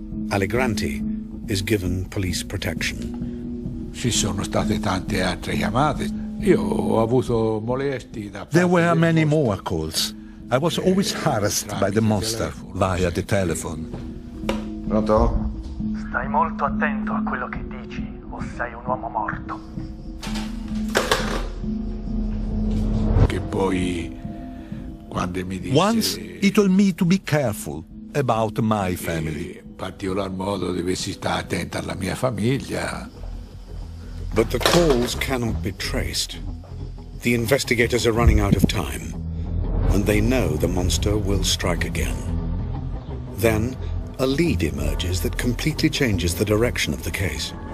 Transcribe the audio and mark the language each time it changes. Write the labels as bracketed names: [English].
[English] Allegranti is given police protection. [Italian] Ci sono state tante altre chiamate. Io ho avuto molesti da. [English] There were many more calls. I was always harassed by the monster via the telephone. [Italian] Pronto? Stai molto attento a quello che dici, o sei un uomo morto. Che poi. [English] Once he told me to be careful about my family. [Italian] In particular modo dovessi stare attento alla mia famiglia. [English] But the calls cannot be traced. The investigators are running out of time, and they know the monster will strike again. Then a lead emerges that completely changes the direction of the case.